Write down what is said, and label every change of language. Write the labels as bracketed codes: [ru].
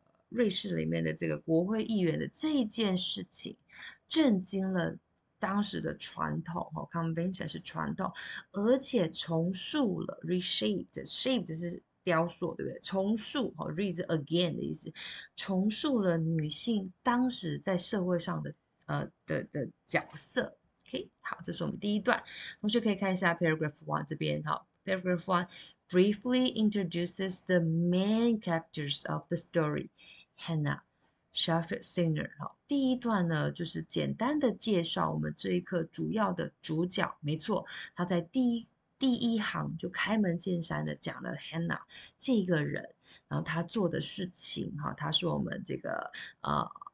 [zh] 瑞士里面的这个国会议员的这件事情，震惊了当时的传统哦，convention 是传统，而且重塑了 reshape，shape 就是雕塑，对不对？重塑哦，read again 的意思，重塑了女性当时在社会上的的角色。 OK，好，这是我们第一段，同学可以看一下 [en] paragraph one 这边哈，paragraph one briefly introduces the main characters of the story。 [zh] Hannah Shaffer Singer 哈，第一段呢就是简单的介绍我们这一课主要的主角，没错，他在第一行就开门见山的讲了 Hannah 这个人，然后她做的事情哈，她是我们这个她